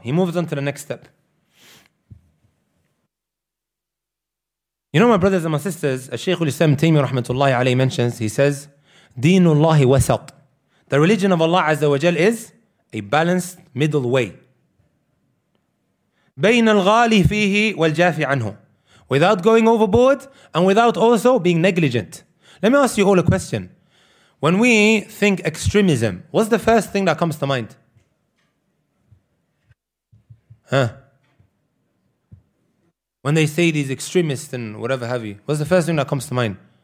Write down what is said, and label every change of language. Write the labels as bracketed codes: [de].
[en] He moves on to the next step. You know, my brothers and my sisters, Shaykh al-Islam Taymiyyah rahmatullahi alayhi mentions, he says, [ar] Deenullahi wasaq. [en] The religion of Allah Azza wa Jal is a balanced middle way. [ar] بين الغالي فيه والجافي عنه. [en] Without going overboard and without also being negligent. Let me ask you all a question. When we think extremism, what's the first thing that comes to mind? Huh? When they say these extremists and whatever have you, what's the first thing that comes to mind?